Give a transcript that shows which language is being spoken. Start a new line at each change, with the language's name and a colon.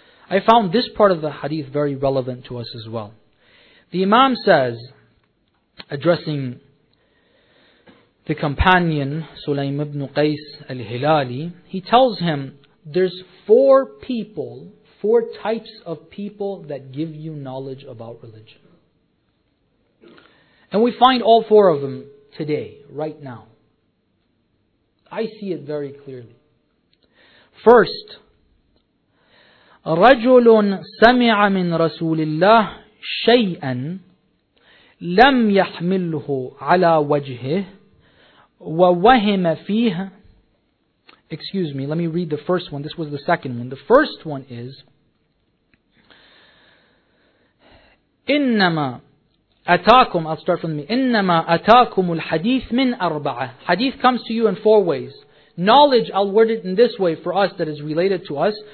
English: I found this part of the hadith very relevant to us as well. The Imam says, addressing the companion, Sulaym ibn Qais al-Hilali, he tells him, there's four people, four types of people that give you knowledge about religion. And we find all four of them today, right now. I see it very clearly.
Arabic: First, رَجُلٌ سَمِعَ مِنْ رَسُولِ اللَّهِ شَيْئًا لَمْ يَحْمِلْهُ عَلَى وَجْهِهِ وَوَهِمَ فِيهَ.
English: Excuse me, let me read the first one. This was the second one. The first one is,
Arabic: إِنَّمَا أَتَاكُمْ
English: I'll start from the beginning.
Arabic: إِنَّمَا أَتَاكُمُ الْحَدِيثِ مِنْ أَرْبَعَ
English: Hadith comes to you in four ways. Knowledge, I'll word it in this way for us that is related to us.